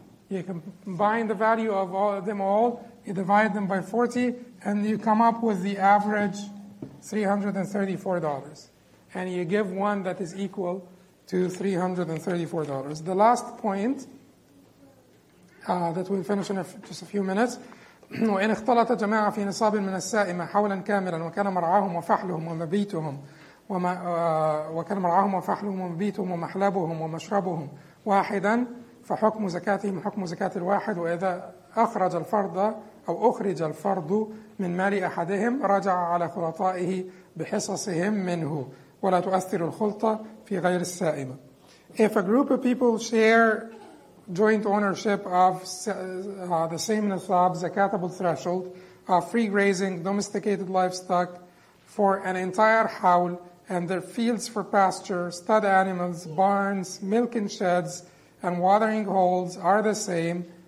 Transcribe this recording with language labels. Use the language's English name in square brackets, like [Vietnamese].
[English] You combine the value of all of them all, you divide them by 40, and you come up with the average $334. And you give one that is equal to $334. The last point that we'll finish in just a few minutes. [Arabic] وإن اختلط جماعة في نصاب من السائمة حولا كاملا وكان مرعاهم وفحلهم ومبيتهم وكان مرعاهم وفحلهم ومبيتهم ومحلبهم ومشربهم واحدا فحكم زكاتهم حكم زكاة الواحد وإذا أخرج الفرض أو أخرج الفرض من مال أحدهم رجع على خلطائه بحصصهم منه ولا تؤثر الخلطة في غير السائمة. [English] If a group of people share joint ownership of the same nisab, zakatable threshold, free grazing, domesticated livestock for an entire hawl and their fields for pasture, stud animals, barns, milking sheds, and watering holes are the same.